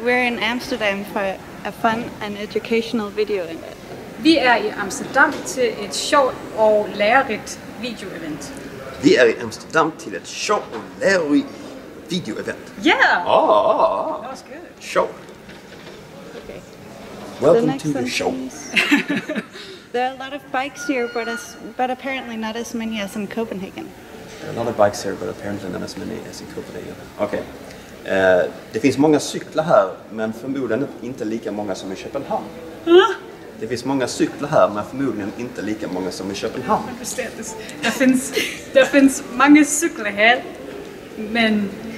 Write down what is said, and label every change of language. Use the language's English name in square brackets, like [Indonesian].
[English] We're in Amsterdam for a fun and educational video event. [Swedish] Vi är i Amsterdam till ett sjovt och lärorikt video event. Vi är i Amsterdam till ett sjovt och lärorikt video event. [English] Yeah! Oh, that was good. Show. Okay. Welcome to the show. There are a lot of bikes here, but apparently not as many as in Copenhagen. There are a lot of bikes here, but apparently not as many as in Copenhagen. Okay. [Swedish] Det finns många cyklar här, men förmodligen inte lika många som i Köpenhamn. [English] Huh? [Swedish] Det finns många cyklar här, men förmodligen inte lika många som i Köpenhamn. [English] I understand this. [Swedish] Det finns många cyklar här, men...